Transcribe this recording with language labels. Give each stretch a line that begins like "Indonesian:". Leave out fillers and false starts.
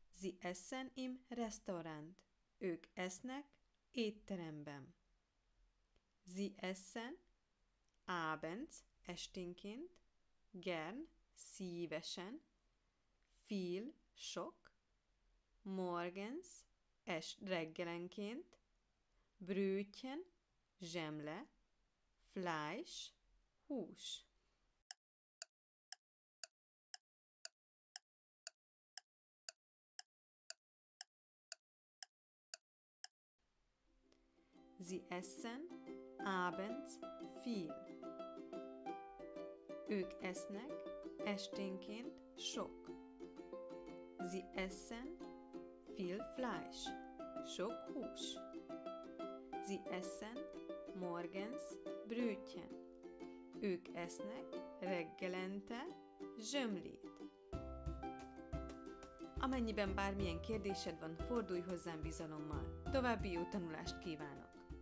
German: Sie essen im Restaurant.
Hungarian: Ők esznek étteremben.
German: Sie essen abends, esténként, gern, szívesen, viel, sok, morgens, reggelenként, Brötchen, zsemle, Fleisch, hús. Sie essen abends viel.
Hungarian: Ők esznek esténként sok.
German: Sie essen viel Fleisch,
Hungarian: sok hús.
German: Sie essen morgens Brötchen.
Hungarian: Ők esznek reggelente zsömlét. Amennyiben bármilyen kérdésed van, fordulj hozzám bizalommal. További jó tanulást kívánok!